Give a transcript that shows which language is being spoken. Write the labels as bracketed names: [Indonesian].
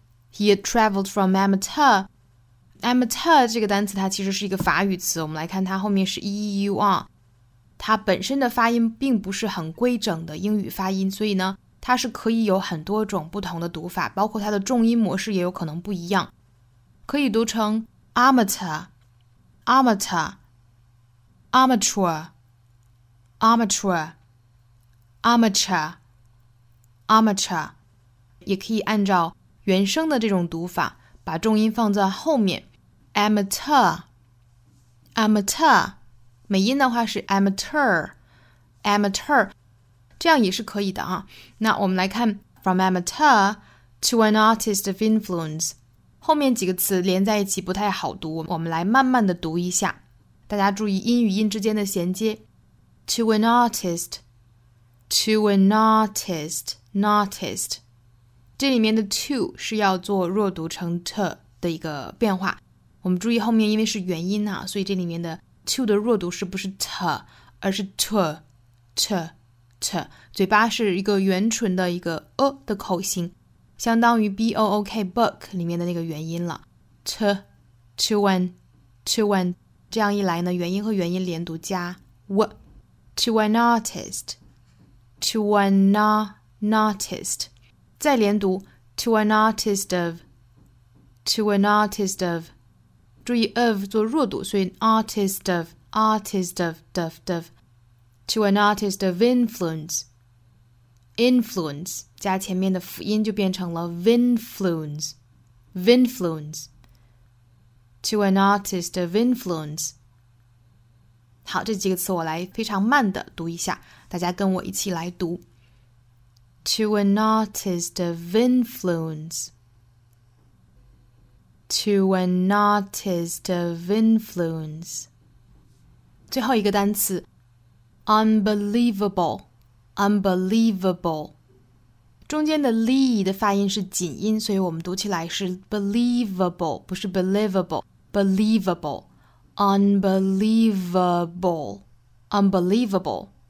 [English] He had traveled from amateur. [Chinese] Amateur 这个单词它其实是一个法语词，我们来看它后面是 EUR, 它本身的发音并不是很规整的英语发音，所以呢它是可以有很多种不同的读法，包括它的重音模式也有可能不一样。可以读成 [English] amateur, amateur, amateur, amateur, amateur, amateur. [Chinese] 也可以按照原声的这种读法，把重音放在后面 [English] amateur, amateur. [Chinese] 美音的话是 amateur, amateur. 这样也是可以的啊。那我们来看 [English] from amateur to an artist of influence. [Chinese] 后面几个词连在一起不太好读，我们来慢慢的读一下，大家注意音与音之间的衔接。 [English] To an artist, to an artist, an artist. [Chinese] 这里面的 to 是要做弱读成 to 的一个变化，我们注意后面因为是元音啊，所以这里面的 to 的弱读是不是 to 而是 to, to, to. 嘴巴是一个圆唇的一个 o 的口型，相当于 book book 里面的那个元音了。 to, to an, to an, 这样一来呢，元音和元音连读加 w, to an artist, to an, an artist, 再连读 [English] to an artist of, [Chinese] to an artist of, 注意 of 做弱读，所以 artist of, of, of, [English] to an artist of influence, [Chinese] influence, 加前面的辅音就变成了 vinfluence, vinfluence, to an artist of influence. 好，这几个词我来非常慢的读一下，大家跟我一起来读。 [English] To an artist of influence, to an artist of influence. [Chinese] 最后一个单词 unbelievable,Unbelievable. 中间的 li 的发音是紧音，所以我们读起来是 believable, 不是 [English] believable, believable. Unbelievable. Unbelievable.